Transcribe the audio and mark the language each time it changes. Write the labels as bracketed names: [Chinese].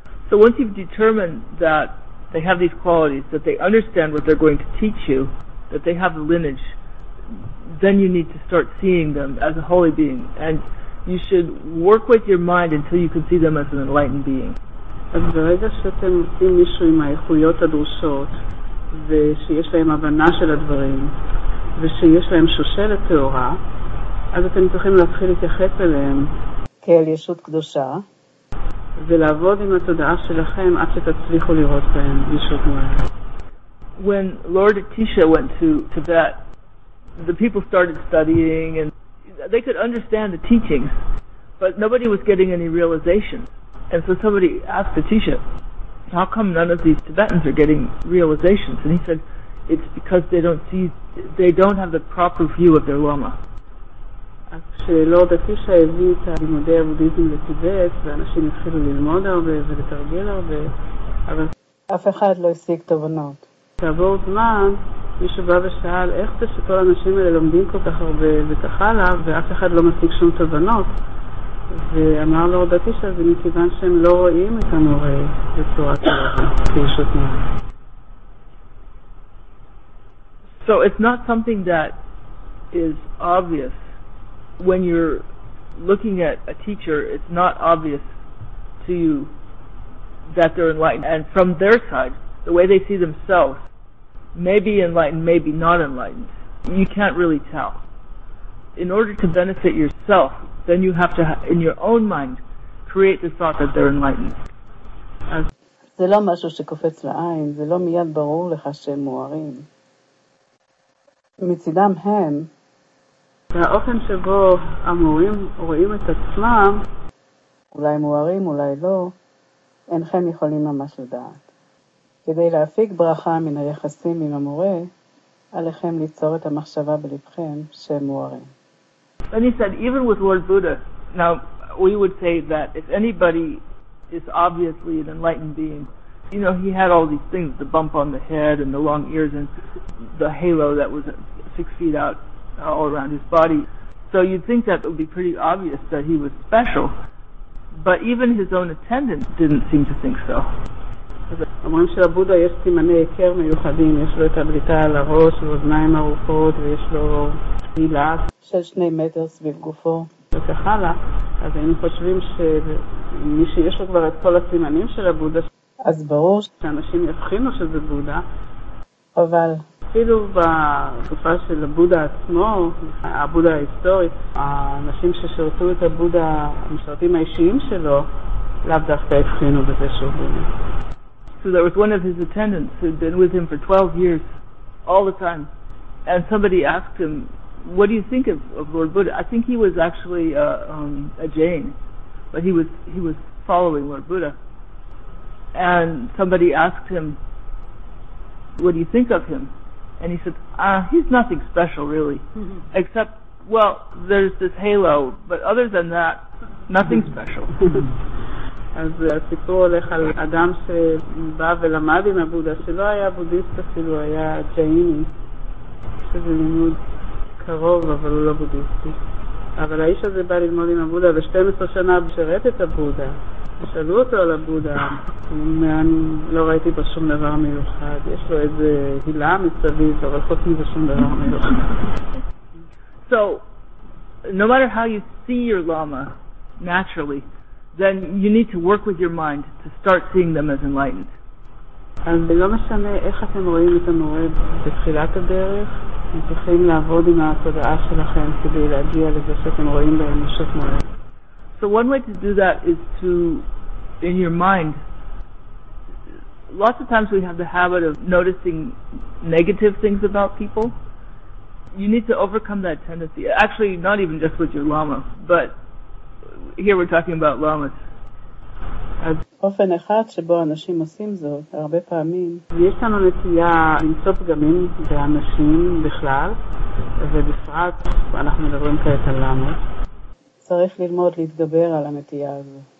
[English] So once you've determined that they have these qualities, that they understand what they're going to teach you, that they have the lineage, then you need to start seeing them as a holy being. And you should work with your mind until you can see them as an enlightened being. [Hebrew] אז ברגע שאתם עושים מישהו עם האיכויות הדרושות ושיש להם הבנה של הדברים ושיש להם שושלת תאורה, אז אתם צריכים להתחיל להתייחס אליהם כאל ישות קדושה ולעבוד עם התודעה שלכם עד שתצליחו לראות בהם ישות מוארת. [English] When Lord Atisha went to Tibet, the people started studying and they could understand the teachings, but nobody was getting any realization. And so somebody asked Atisha, how come none of these Tibetans are getting realizations? And he said, it's because they don't have the proper view of their Lama. [Hebrew] כשלורד אטישה הביא את לימודי הבודהיזם לטיבט, ואנשים התחילו ללמוד הרבה ולתרגל הרבה, אבל אף אחד לא השיג תובנות. כעבור זמן, מישהו בא ושאל, איך זה שכל האנשים האלה לומדים כל כך הרבה וכך הלאה, ואף אחד לא משיג שום תובנות? ואמר לורד אטישה, זה מכיוון שהם לא רואים את המורה בצורה טובה, כישות מורה. [English] So it's not something that is obvious. When you're looking at a teacher, it's not obvious to you that they're enlightened. And from their side, the way they see themselves, maybe enlightened, maybe not enlightened, you can't really tell. In order to benefit yourself, then you have to, in your own mind, create the thought that they're enlightened. [Hebrew] זה לא משהו שקופץ לעין, זה לא מיד ברור לך שהם מוארים. מצידם הם, והאופן שבו המורים רואים את עצמם, אולי מוארים, אולי לא, אינכם יכולים ממש לדעת. כדי להפיק ברכה מן היחסים עם המורה, עליכם ליצור את המחשבה בלבכם שהם מוארים. [English] And he said, even with Lord Buddha, now we would say that if anybody is obviously an enlightened being, you know, he had all these things, the bump on the head and the long ears and the halo that was 6 feet out all around his body. So you'd think that it would be pretty obvious that he was special. But even his own attendants didn't seem to think so. [Hebrew] אומרים שלבודה יש סימני היכר מיוחדים, יש לו את הבליטה על הראש ואוזניים ארוכות ויש לו מילה של 2 מטר סביב גופו וכך הלאה. אז היינו חושבים שמי שיש לו כבר את כל הסימנים של הבודה, אז ברור שאנשים יבחינו שזה בודה. אבל אפילו בתקופה של הבודה עצמו, הבודה ההיסטורי, האנשים ששרתו את הבודה, המשרתים האישיים שלו, לאו דווקא הבחינו בזה שוב. [English] So there was one of his attendants who had been with him for 12 years, all the time. And somebody asked him, what do you think of Lord Buddha? I think he was actually a Jain, but he was following Lord Buddha. And somebody asked him, what do you think of him? And he said, he's nothing special really. Mm-hmm. Except, well, there's this halo, but other than that, nothing mm-hmm. special. [Hebrew] אז הסיפור הולך על אדם שבא ולמד עם הבודה, שלא היה בודיסט אפילו, היה ג'איני, שזה לימוד קרוב, אבל הוא לא בודיסטי. אבל האיש הזה בא ללמוד עם הבודה, ו-12 שנה בשרת את הבודה, ושאלו אותו על הבודה, ואני לא ראיתי בו שום דבר מיוחד, יש לו איזה הילה מסביב, אבל חוץ מזה שום דבר מיוחד. [English] So, no matter how you see your lama, naturally, then you need to work with your mind to start seeing them as enlightened. [Hebrew] אז לא משנה איך אתם רואים את המורה בתחילת הדרך, אתם צריכים לעבוד עם התודעה שלכם כדי להגיע לזה שאתם רואים בהם ישות מורה. [English] So one way to do that is to, in your mind, lots of times we have the habit of noticing negative things about people. You need to overcome that tendency. Actually, not even just with your lama, but here we're talking about lamas. [Hebrew] אופן אחד שבו אנשים עושים זאת הרבה פעמים, יש לנו נטייה למצוא פגמים באנשים בכלל, ובפרט אנחנו מדברים כעת על לאמות. צריך ללמוד להתגבר על הנטייה הזו.